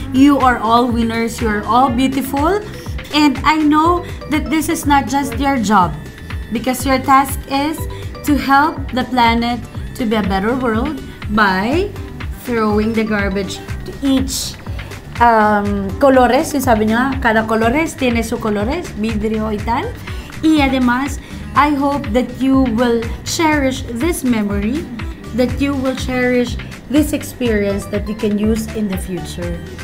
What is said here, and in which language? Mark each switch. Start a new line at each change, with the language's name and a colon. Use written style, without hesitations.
English: You are all winners. You are all beautiful. And I know that this is not just your job, because your task is to help the planet to be a better world by throwing the garbage to each colores,
Spanish: ¿sabes? Cada colores tiene su colores, vidrio y tal. Y además,
English: I hope that you will cherish this memory, that you will cherish this experience that you can use in the future.